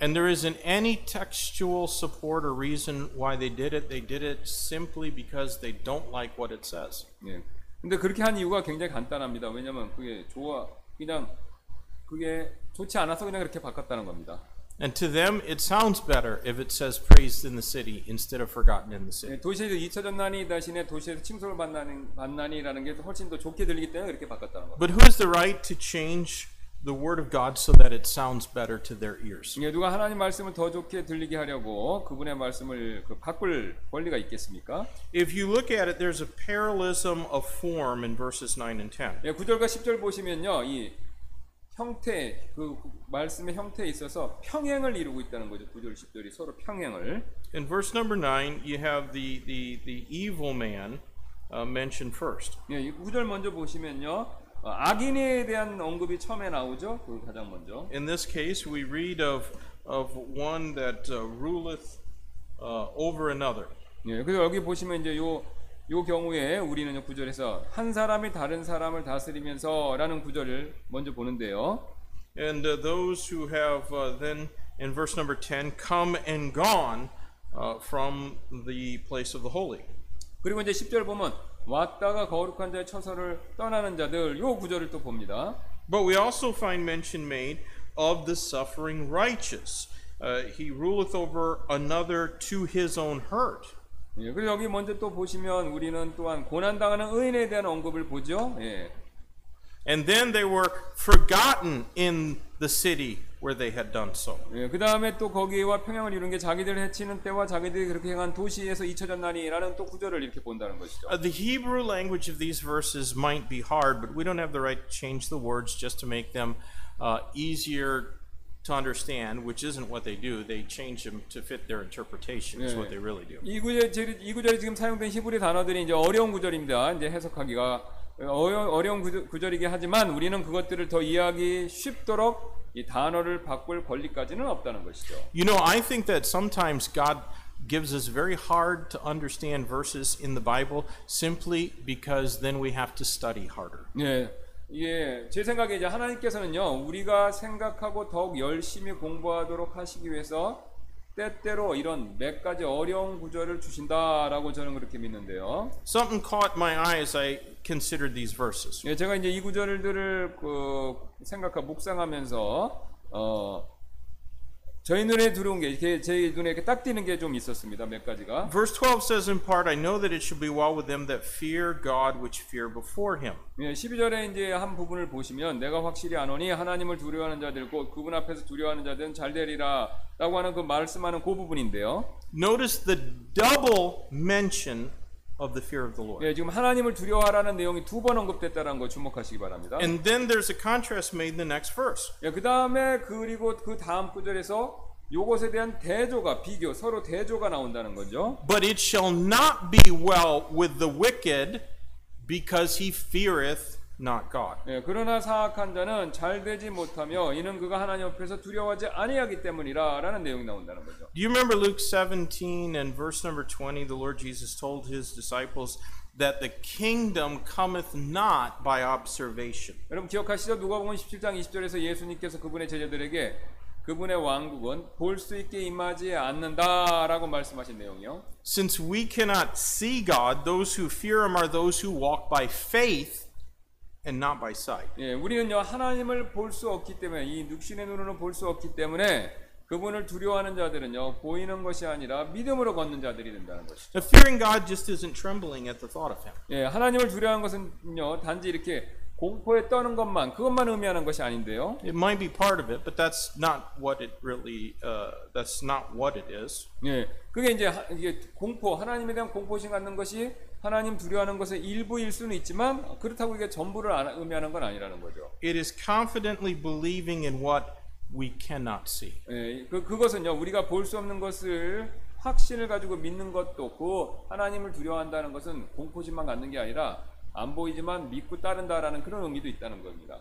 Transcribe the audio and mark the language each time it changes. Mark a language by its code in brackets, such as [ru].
[en] And there isn't any textual support or reason why they did it. They did it simply because they don't like what it says. [ko] 예. 근데 그렇게 한 이유가 굉장히 간단합니다. 왜냐면 그게 좋아 그냥 그게 좋지 않아서 그냥 그렇게 바꿨다는 겁니다. [en] And to them it sounds better if it says praised in the city instead of forgotten in the city. [ko] 예, 도시에서 잊혀졌나니 대신에 도시에서 칭송을 받나니라는 게 훨씬 더 좋게 들리기 때문에 이렇게 바꿨다는 거. [en] But who has the right to change the word of God so that it sounds better to their ears? [ko] 예, 누가 하나님 말씀을 더 좋게 들리게 하려고 그분의 말씀을 그 바꿀 권리가 있겠습니까? [en] If you look at it there's a parallelism of form in verses 9 and 10. [ko] 예, 9절과 10절 보시면요. 이 형태 그 말씀의 형태에 있어서 평행을 이루고 있다는 거죠. 9절 10절이 서로 평행을. [en] In verse number 9 you have the evil man mentioned first. [ko] 예, 9절 먼저 보시면요. 악인에 대한 언급이 처음에 나오죠. 그 가장 먼저. [en] In this case we read of one that ruleth over another. [ko] 예, 그리고 여기 보시면 이제 요 경우에 우리는 구절에서 한 사람이 다른 사람을 다스리면서라는 구절을 먼저 보는데요. [en] And those who have then in verse number 10 come and gone from the place of the holy. [ko] 그리고 이제 10절 보면 왔다가 거룩한 자의 처소를 떠나는 자들 요 구절을 또 봅니다. [en] But we also find mention made of the suffering righteous. He ruleth over another to his own hurt. [ko] 예, 그리고 여기 먼저 또 보시면 우리는 또한 고난 당하는 의인에 대한 언급을 보죠. 예. [en] And then they were forgotten in the city where they had done so. [ko] 예, 그 다음에 또 거기와 평양을 이룬 게 자기들을 해치는 때와 자기들이 그렇게 행한 도시에서 잊혀졌나니라는 또 구절을 이렇게 본다는 것이죠. [en] The Hebrew language of these verses might be hard, but we don't have the right to change the words just to make them easier. To understand, which isn't what they do, they change them to fit their interpretation. Is what they really do. [ko] 이 구절 지금 사용된 히브리 단어들이 이제 어려운 구절입니다. 이제 해석하기가 어려운 구절이긴 하지만 우리는 그것들을 더 이해하기 쉽도록 이 단어를 바꿀 권리까지는 없다는 것이죠. [en] You know, I think that sometimes God gives us very hard to understand verses in the Bible simply because then we have to study harder. [ko] 네. 예, 제 생각에 이제 하나님께서는요 우리가 생각하고 더욱 열심히 공부하도록 하시기 위해서 때때로 이런 몇 가지 어려운 구절을 주신다라고 저는 그렇게 믿는데요. [en] Something caught my eye as I considered these verses. [ko] 예, 제가 이제 이 구절들을 그 생각하고 묵상하면서 저희 눈에 들어온 게 이렇게 제 눈에 이렇게 딱 띄는 게 좀 있었습니다. 몇 가지가. [en] Verse 12 says in part, I know that it should be well with them that fear God which fear before him. [ko] 예, 12절에 이제 한 부분을 보시면 내가 확실히 아노니 하나님을 두려워하는 자들 곧 그분 앞에서 두려워하는 자들은 잘 되리라 라고 하는 그 말씀하는 그 부분인데요. [en] Notice the double mention of the fear of the Lord. [ko] 예, 지금 하나님을 두려워하라는 내용이 두 번 언급됐다는 거 주목하시기 바랍니다. [en] And then there's a contrast made in the next verse. [ko] 예, 그다음에 그리고 그 다음 구절에서 요것에 대한 대조가 비교 서로 대조가 나온다는 거죠. [en] But it shall not be well with the wicked because he feareth not God. [ko] 예, 그러나 사악한 자는 잘 되지 못하며 이는 그가 하나님 앞에서 두려워하지 아니하기 때문이라라는 내용이 나온다는 거죠. [en] Do you remember Luke 17 and verse number 20? The Lord Jesus told his disciples that the kingdom cometh not by observation. [ko] 여러분 기억하시죠? 누가복음 17장 20절에서 예수님께서 그분의 제자들에게 그분의 왕국은 볼 수 있게 임하지 않는다라고 말씀하신 내용이요. [en] Since we cannot see God, those who fear him are those who walk by faith and not by sight. [ko] 예, 우리는요 하나님을 볼 수 없기 때문에 이 육신의 눈으로 볼 수 없기 때문에 그분을 두려워하는 자들은요 보이는 것이 아니라 믿음으로 걷는 자들이 된다는 것이죠. [en] Fearing God just isn't trembling at the thought of him. [ko] 예, 하나님을 두려워하는 것은요 단지 이렇게 공포에 떠는 것만 그것만 의미하는 것이 아닌데요. [en] It might be part of it, but that's not what it really that's not what it is. [ko] 예, 그게 이제 이게 공포 하나님에 대한 공포심 갖는 것이 하나님 두려워하는 것의 일부일 수는 있지만 그렇다고 이게 전부를 의미하는 건 아니라는 거죠. [en] It is confidently believing in what we cannot see. [ko] 예, 그것은요 우리가 볼 수 없는 것을 확신을 가지고 믿는 것도 그 하나님을 두려워한다는 것은 공포심만 갖는 게 아니라 안 보이지만 믿고 따른다라는 그런 의미도 있다는 겁니다.